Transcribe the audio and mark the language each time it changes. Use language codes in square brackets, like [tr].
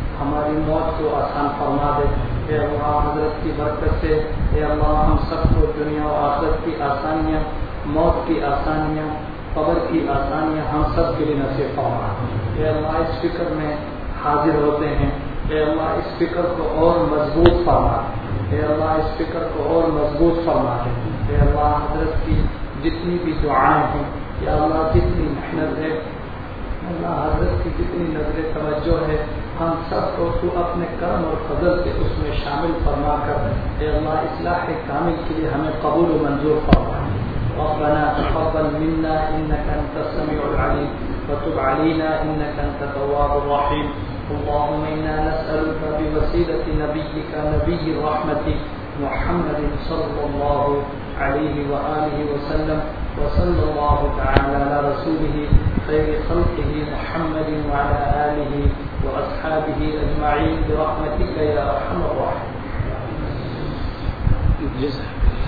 [ur] ہماری موت کو آسان فرما دے اے اللہ. حضرت کی برکت سے اے اللہ ہم سب کو دنیا و آخرت کی آسانیاں موت کی آسانیاں قبر کی آسانیاں ہم سب کے لیے نصیب فرما. اے اللہ اس فکر میں حاضر ہوتے ہیں, اے اللہ اس فکر کو اور مضبوط فرما, اے اللہ اس فکر کو اور مضبوط فرما. اے اللہ حضرت کی جتنی بھی دعائیں ہیں, اے اللہ جتنی محنت ہے, اللہ حضرت کی جتنی نظر توجہ ہے, ہم سب کو تو اپنے کرم اور فضل سے اس میں شامل فرما کر اے اللہ اصلاح کامل کے لیے ہمیں قبول و منظور فرما. [ar] ربنا تقبل منا انك انت السميع العليم, وتب علينا انك انت التواب الرحيم. اللهم انا نسألك بوسيلة نبيك نبي الرحمة محمد صلى الله عليه وآله وسلم وصلى الله تعالى على رسوله خير خلقه محمد وعلى آله وأصحابه أجمعين برحمتك يا أرحم الراحمين.